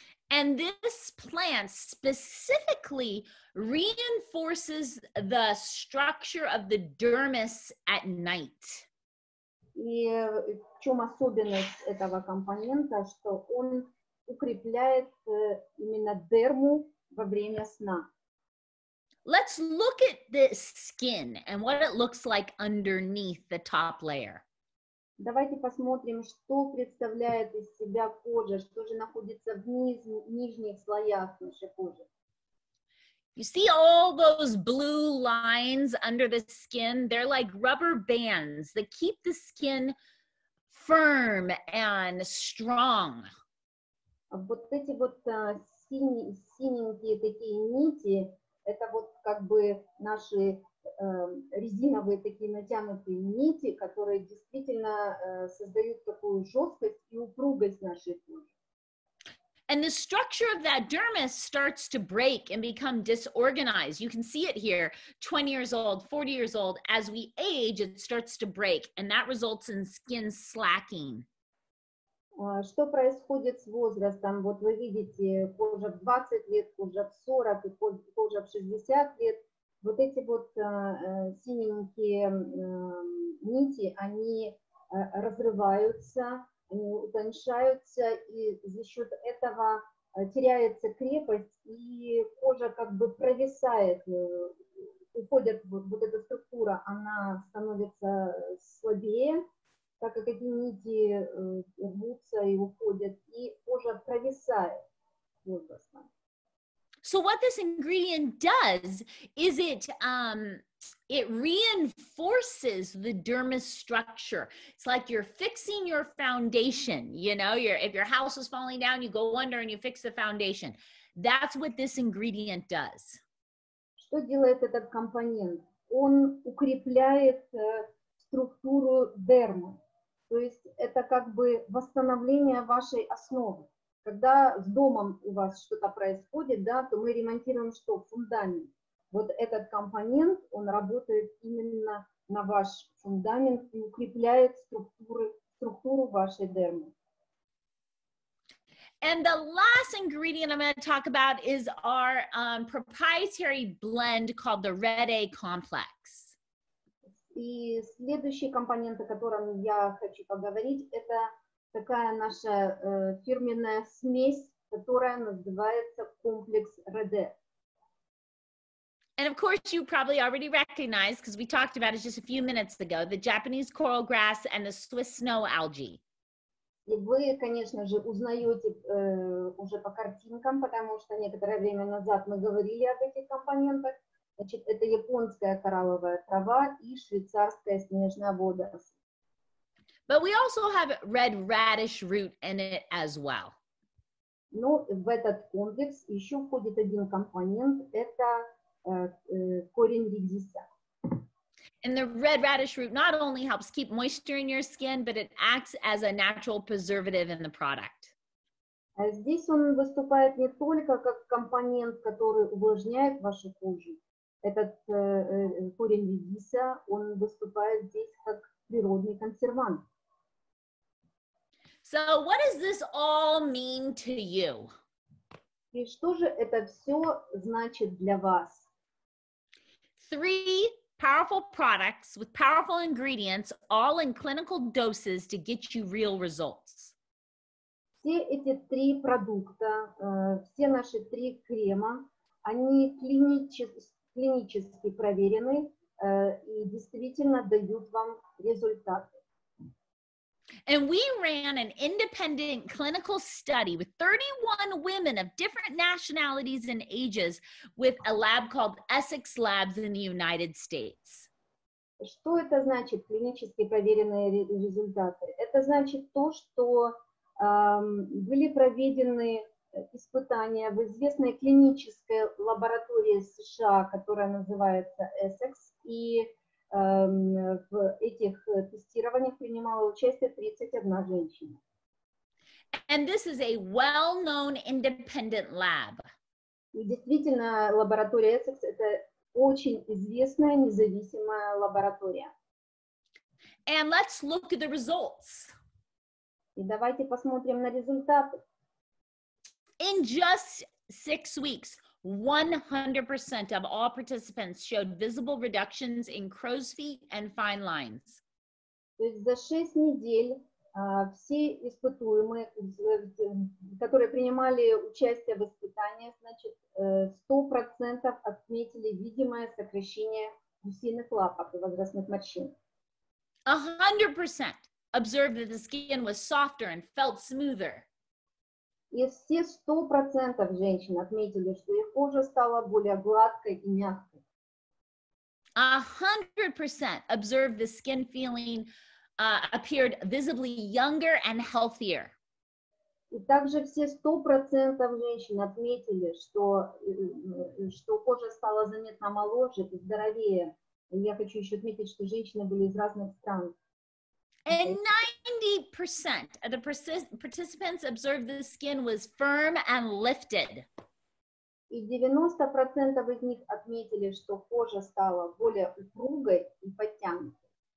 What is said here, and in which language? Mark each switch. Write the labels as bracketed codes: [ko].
[en] And this plant specifically reinforces the structure of the dermis at night. [ru] И в чем особенность этого компонента, что он укрепляет именно дерму во время сна. [en] Let's look at this skin and what it looks like underneath the top layer. [ru] Давайте посмотрим, что представляет из себя кожа, что же находится вниз, в нижних слоях нашей кожи. [en] You see all those blue lines under the skin? They're like rubber bands that keep the skin firm and strong. [ru] Вот эти вот синенькие такие нити, это вот как бы наши резиновые такие натянутые нити, которые действительно создают такую жесткость и упругость нашей кожи. [en] And the structure of that dermis starts to break and become disorganized. You can see it here, 20 years old, 40 years old. As we age, it starts to break, and that results in skin slacking. [ru] Что происходит с возрастом? Вот вы видите, кожа в 20 лет, кожа в 40, и кожа в 60 лет. Вот эти вот синенькие нити, они разрываются, они утончаются, и за счет этого теряется крепость, и кожа как бы провисает, уходит вот эта структура, она становится слабее, так как эти нити рвутся и уходят, и кожа провисает возрастом. [en] So what this ingredient does is it reinforces the dermis structure. It's like you're fixing your foundation. You know, if your house is falling down, you go under and you fix the foundation. That's what this ingredient does. [ru] Что делает этот компонент? Он укрепляет структуру дермы. То есть это как бы восстановление вашей основы. Когда с домом у вас что-то происходит, да, то мы ремонтируем что? Фундамент. Вот этот компонент, он работает именно на ваш фундамент и укрепляет структуру вашей дермы. [en] And the last ingredient I'm going to talk about is our proprietary blend called the Red A complex. [ru] И следующий компонент, о котором я хочу поговорить, это такая наша фирменная смесь, которая называется комплекс Реде. [en] And of course, you probably already recognize, because we talked about it just a few minutes ago, the Japanese coral grass and the Swiss snow algae. [ru] И вы, конечно же, узнаете уже по картинкам, потому что некоторое время назад мы говорили об этих компонентах. Значит, это японская коралловая трава и швейцарская снежная водоросль. [en] But we also have red radish root in it as well. [ru] Ну, в этот комплекс еще входит один компонент, это корень редиса. [en] And the red radish root not only helps keep moisture in your skin, but it acts as a natural preservative in the product. [ru] А здесь он выступает не только как компонент, который увлажняет вашу кожу. Этот корень редиса, он выступает здесь как природный консервант. [en] So what does this all mean to you? [ru] И что же это все значит для вас? [en] Three powerful products with powerful ingredients, all in clinical doses to get you real results. [ru] Все эти три продукта, все наши три крема, они клинически проверены и действительно дают вам результаты. [en] And we ran an independent clinical study with 31 women of different nationalities and ages with a lab called Essex Labs in the United States. [ru] Что это значит, клинически проверенные результаты? Это значит то, что были проведены испытания в известной клинической лаборатории США, которая называется Essex, и в этих тестированиях принимала участие 31 женщина. [en] And this is a well-known independent lab. [ru] И действительно, лаборатория Essex – это очень известная независимая лаборатория. [en] And let's look at the results. [ru] И давайте посмотрим на результаты. [en] In just 6 weeks, 100% of all participants showed visible reductions in crow's feet and fine lines. [ru] То есть за 6 недель все испытуемые, которые принимали участие в испытании, значит, 100% отметили видимое сокращение гусиных лапок и возрастных морщин. [en] 100% observed that the skin was softer and felt smoother. [ru] И все 100% женщин отметили, что их кожа стала более гладкой и мягкой. [en] 100% observed the skin feeling appeared visibly younger and healthier. [ru] И также все 100% женщин отметили, что кожа стала заметно моложе, здоровее. И я хочу еще отметить, что женщины были из разных стран. [en] And 90% of the participants observed the skin was firm and lifted. [ru] И 90% из них отметили, что кожа стала более упругой и подтянутой.